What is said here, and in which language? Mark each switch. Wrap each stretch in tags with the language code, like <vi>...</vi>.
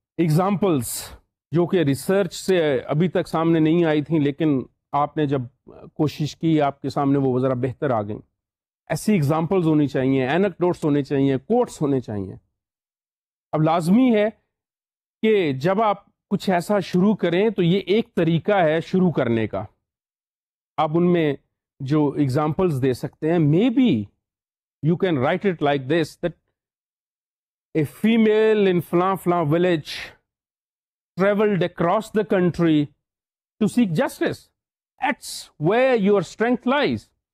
<ur>Examples جو کہ research سے ابھی تک سامنے نہیں آئی تھیں، لیکن آپ نے جب کوشش کی آپ کے سامنے وہ ذرا بہتر آ گئیں. ایسی ایگزامپلز ہونی چاہیے، اینکڈوٹس ہونے چاہیے، کوٹس ہونے چاہیے. اب لازمی ہے کہ جب آپ کچھ ایسا شروع کریں تو یہ ایک طریقہ ہے شروع کرنے کا، آپ ان میں جو ایگزامپلز دے سکتے ہیں.</ur> <en>maybe you can write it like this, that a female in</en> <ur>فلاں فلاں</ur> <en>Village travelled across the country to seek justice. It's where your strength lies.</en>